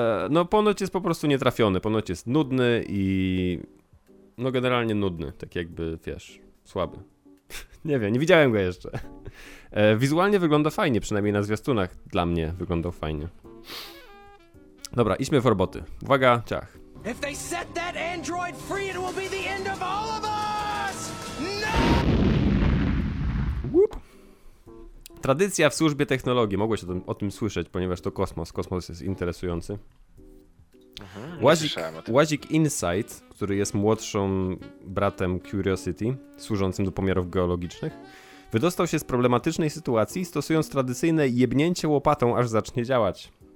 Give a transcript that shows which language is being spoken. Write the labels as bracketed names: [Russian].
[Polish] No ponoć jest po prostu nietrafiony, ponoć jest nudny i... No generalnie nudny, tak jakby, wiesz, słaby. Nie wiem, nie widziałem go jeszcze. Wizualnie wygląda fajnie, przynajmniej na zwiastunach dla mnie wyglądał fajnie. Dobra, idźmy w roboty. Uwaga, ciach. [English] If they set that android free, it will be the end of all of us! No! Whoop. [Polish] Tradycja w służbie technologii. Mogłeś o tym słyszeć, ponieważ to kosmos. Kosmos jest interesujący. Łazik Insight, który jest młodszym bratem Curiosity, służącym do pomiarów geologicznych, wydostał się z problematycznej sytuacji, stosując tradycyjne jebnięcie łopatą, aż zacznie działać.